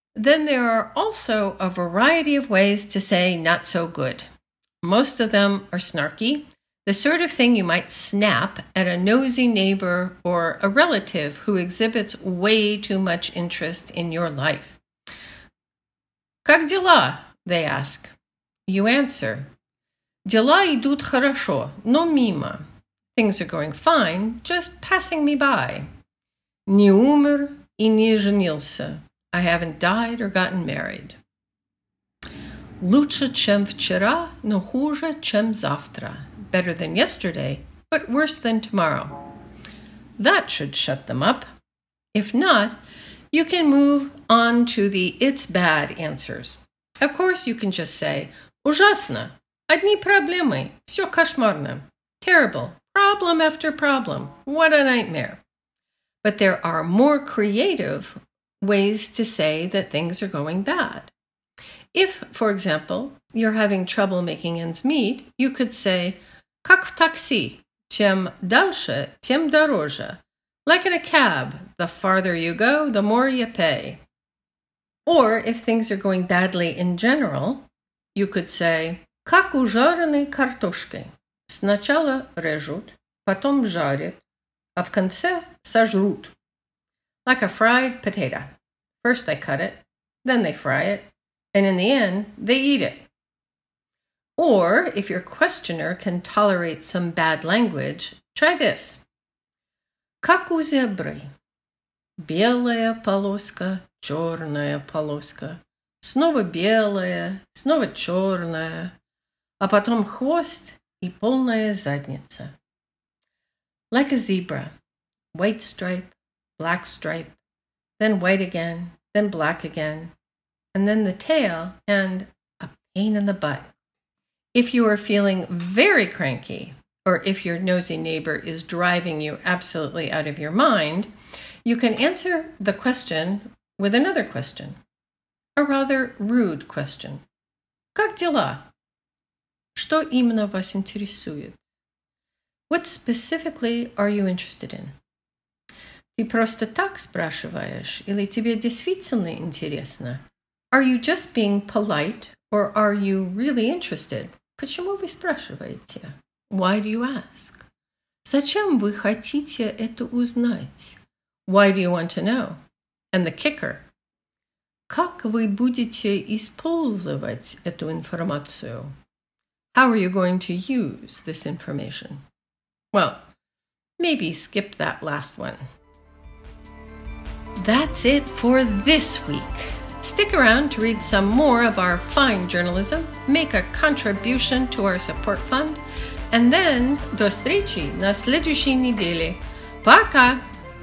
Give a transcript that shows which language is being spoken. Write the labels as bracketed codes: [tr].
[en] Then there are also a variety of ways to say not so good. Most of them are snarky, the sort of thing you might snap at a nosy neighbor or a relative who exhibits way too much interest in your life. [ru] Как дела? [en] They ask. You answer. [ru] Дела идут хорошо, но мимо. [en] Things are going fine, just passing me by. [ru] Не умер и не женился. [en] I haven't died or gotten married. [ru] Лучше, чем вчера, но хуже, чем завтра. [en] Better than yesterday, but worse than tomorrow. That should shut them up. If not, you can move on to the it's bad answers. Of course, you can just say, [ru] Ужасно! Одни проблемы, все кошмарно. [en] Terrible, problem after problem, what a nightmare. But there are more creative ways to say that things are going bad. If, for example, you're having trouble making ends meet, you could say, [ru] Как в такси, чем дальше, тем дороже. [en] Like in a cab, the farther you go, the more you pay. Or if things are going badly in general, you could say, [ru] Как у жареной картошки. Сначала режут, потом жарят, а в конце сожрут. [en] Like a fried potato. First they cut it, then they fry it, and in the end, they eat it. Or if your questioner can tolerate some bad language, try this. [ru] Как у зебры. Белая полоска, черная полоска. Снова белая, снова черная. А потом хвост и полная задница. [en] Like a zebra. White stripe, black stripe, then white again, then black again, and then the tail and a pain in the butt. If you are feeling very cranky, or if your nosy neighbor is driving you absolutely out of your mind, you can answer the question with another question, a rather rude question. [ru] Как дела? Что именно вас интересует? [en] What specifically are you interested in? [ru] Ты просто так спрашиваешь, или тебе действительно интересно? [en] Are you just being polite, or are you really interested? [ru] Почему вы спрашиваете? [en] Why do you ask? [ru] Зачем вы хотите это узнать? [en] Why do you want to know? And the kicker. [ru] Как вы будете использовать эту информацию? [en] How are you going to use this information? Well, maybe skip that last one. That's it for this week. Stick around to read some more of our fine journalism, make a contribution to our support fund, and then [ru] до встречи на следующей неделе. Пока!